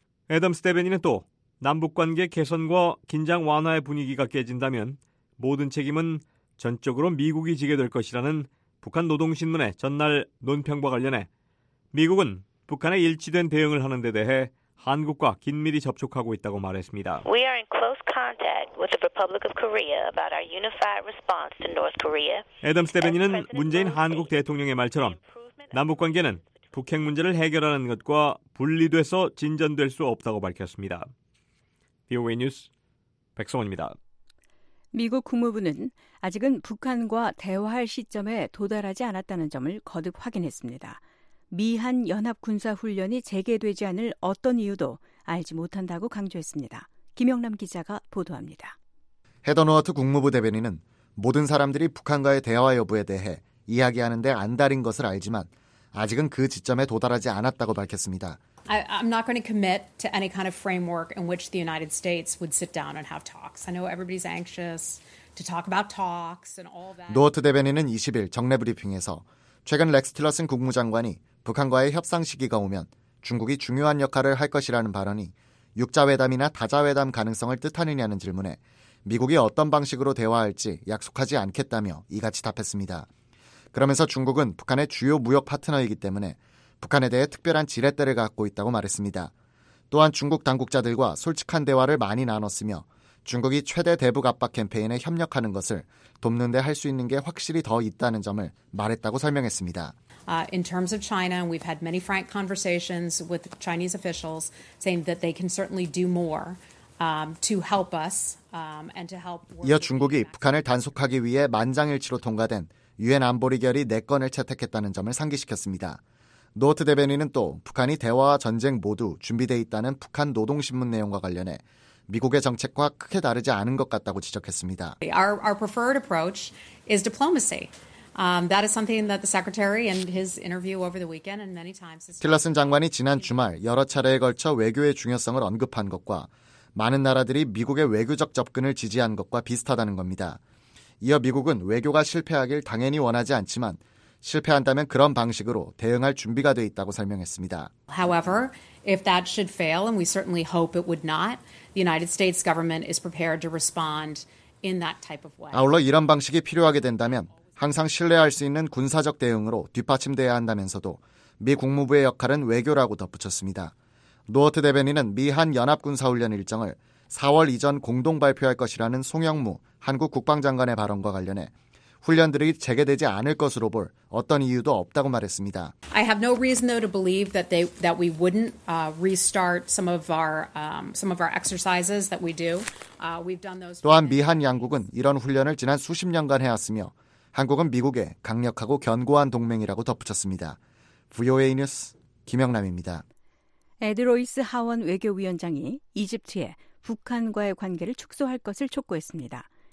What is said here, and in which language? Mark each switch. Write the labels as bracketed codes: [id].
[ko] 애덤스 대변인은 또 남북관계 개선과 긴장 완화의 분위기가 깨진다면 모든 책임은 전적으로 미국이 지게 될 것이라는 북한 노동신문의 전날 논평과 관련해 미국은 북한의 일치된 대응을 하는 데 대해 한국과 긴밀히 접촉하고 있다고 말했습니다. [en] We are in close contact with the Republic of Korea about our unified response to North Korea. [ko] 애덤스 대변인은 문재인 한국 대통령의 말처럼 남북관계는 북핵 문제를 해결하는 것과 분리돼서 진전될 수 없다고 밝혔습니다. VOA 뉴스 백성원입니다. 미국 국무부는 아직은 북한과 대화할 시점에 도달하지 않았다는 점을 거듭 확인했습니다. 미한 연합군사훈련이 재개되지 않을 어떤 이유도 알지 못한다고 강조했습니다. 김영남 기자가 보도합니다. 헤더노어트 국무부 대변인은 모든 사람들이 북한과의 대화 여부에 대해 이야기하는 데 안달인 것을 알지만 아직은 그 지점에 도달하지 않았다고 밝혔습니다. [en] I'm not going to commit to any kind of framework in which the United States would sit down and have talks. I know everybody's anxious to talk about talks and all that. [ko] 노어트 대변인은 20일 정례 브리핑에서 최근 렉스 틸러슨 국무장관이 북한과의 협상 시기가 오면 중국이 중요한 역할을 할 것이라는 발언이 육자회담이나 다자회담 가능성을 뜻하느냐는 질문에 미국이 어떤 방식으로 대화할지 약속하지 않겠다며 이같이 답했습니다. 그러면서 중국은 북한의 주요 무역 파트너이기 때문에 북한에 대해 특별한 지렛대를 갖고 있다고 말했습니다. 또한 중국 당국자들과 솔직한 대화를 많이 나눴으며 중국이 최대 대북 압박 캠페인에 협력하는 것을 돕는 데 할 수 있는 게 확실히 더 있다는 점을 말했다고 설명했습니다. [en] In terms of China, we've had many frank conversations with Chinese officials saying that they can certainly do more to help us and to help. [ko] 이어 중국이 북한을 단속하기 위해 만장일치로 통과된 유엔 안보리 결의 4건을 채택했다는 점을 상기시켰습니다. 노어트 대변인은 또 북한이 대화와 전쟁 모두 준비돼 있다는 북한 노동신문 내용과 관련해 미국의 정책과 크게 다르지 않은 것 같다고 지적했습니다. [en] Our preferred approach is diplomacy. That is something that the secretary and his interview over the weekend and many times. [ko] 틸러슨 장관이 지난 주말 여러 차례에 걸쳐 외교의 중요성을 언급한 것과 많은 나라들이 미국의 외교적 접근을 지지한 것과 비슷하다는 겁니다. 이어 미국은 외교가 실패하길 당연히 원하지 않지만 실패한다면 그런 방식으로 대응할 준비가 돼 있다고 설명했습니다. [en] However, if that should fail, and we certainly hope it would not, the United States government is prepared to respond in that type of way. [ko] 아울러 이런 방식이 필요하게 된다면 항상 신뢰할 수 있는 군사적 대응으로 뒷받침돼야 한다면서도 미 국무부의 역할은 외교라고 덧붙였습니다. 노어트 대변인은 미한 연합군사훈련 일정을 4월 이전 공동 발표할 것이라는 송영무 한국 국방장관의 발언과 관련해 훈련들이 재개되지 않을 것으로 볼 어떤 이유도 없다고 말했습니다. [en] I have no reason though to believe that we wouldn't restart some of our exercises that we do. We've done those. [ko] 또한 미한 양국은 이런 훈련을 지난 수십 년간 해왔으며 한국은 미국의 강력하고 견고한 동맹이라고 덧붙였습니다. VOA 뉴스 김영남입니다. 에드로이스 하원 외교위원장이 이집트에 북한과의 관계를 축소할 것을 촉구했습니다.